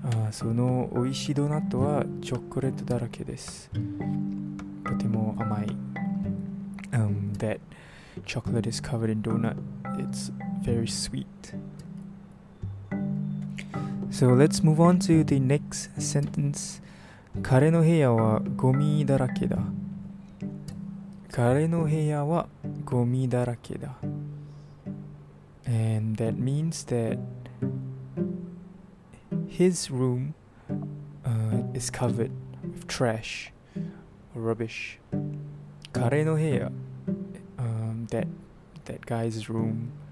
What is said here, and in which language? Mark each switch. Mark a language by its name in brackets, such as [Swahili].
[Japanese] Sono oishi donato wa chokoreto darake desu. Totemo amai. [English] That chocolate is covered in donut. It's very sweet. So let's move on to the next sentence. [Japanese] 彼の部屋はゴミだらけだ。彼の部屋はゴミだらけだ。 [English] And that means that his room is covered with trash or rubbish. [Japanese] 彼の部屋 [English] that guy's room.